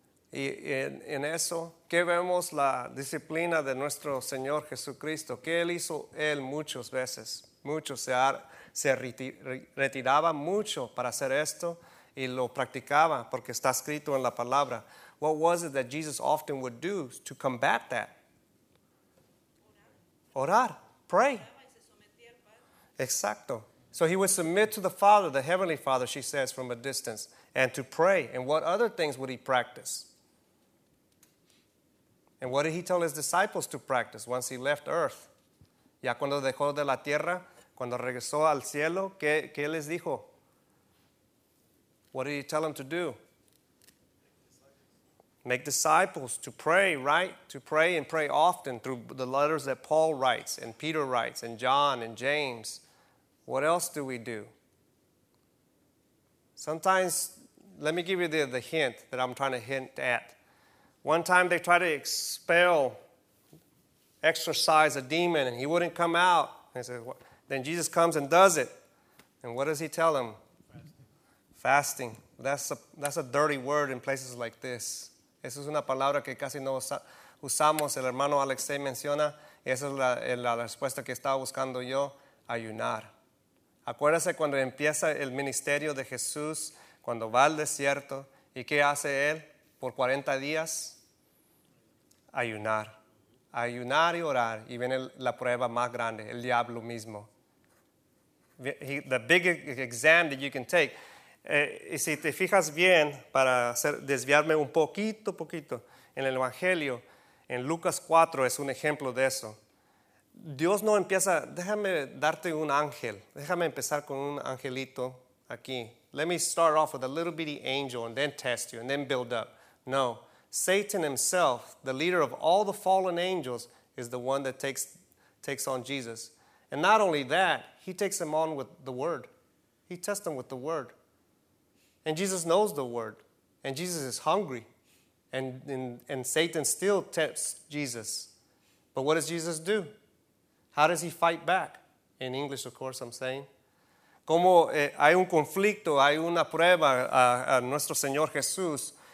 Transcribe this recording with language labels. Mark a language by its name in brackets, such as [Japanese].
[Spanish] Y en eso, ¿qué vemos la disciplina de nuestro Señor Jesucristo? ¿Qué Él hizo? Él muchas veces. Muchos se retiraba mucho para hacer esto y lo practicaba porque está escrito en la palabra. [English] What was it that Jesus often would do to combat that? [Spanish] Orar. [English] Pray. [Spanish] Exacto. [English] So he would submit to the Father, the Heavenly Father, she says, from a distance, and to pray. And what other things would he practice? And what did he tell his disciples to practice once he left earth? [Spanish] Ya cuando dejó de la tierra, cuando regresó al cielo, ¿qué les dijo? [English] What did he tell them to do? Make disciples, to pray, right? To pray and pray often through the letters that Paul writes and Peter writes and John and James. What else do we do? Sometimes, let me give you the hint that I'm trying to hint at. One time they tried to exorcise a demon and he wouldn't come out. And he said, what? Then Jesus comes and does it. And what does he tell them? Fasting. That's a dirty word in places like this. [Spanish] Esa es una palabra que casi no usamos. El hermano Alexei menciona. Esa es la respuesta que estaba buscando yo. Ayunar. Acuérdese cuando empieza el ministerio de Jesús, cuando va al desierto, ¿y qué hace Él por 40 días? Ayunar. Ayunar y orar. Y viene la prueba más grande, el diablo mismo. [English] The big exam that you can take. [Spanish] Y si te fijas bien, para desviarme un poquito, en el Evangelio, en Lucas 4 es un ejemplo de eso. Dios no empieza, déjame darte un ángel. Déjame empezar con un angelito aquí. [English] Let me start off with a little bitty angel and then test you and then build up. No, Satan himself, the leader of all the fallen angels, is the one that takes on Jesus. And not only that, he takes him on with the word. He tests him with the word. And Jesus knows the word. And Jesus is hungry. And Satan still tempts Jesus. But what does Jesus do? How does he fight back? In English, of course, I'm saying. [Spanish] Como hay un conflicto, hay una prueba a nuestro Señor Jesús.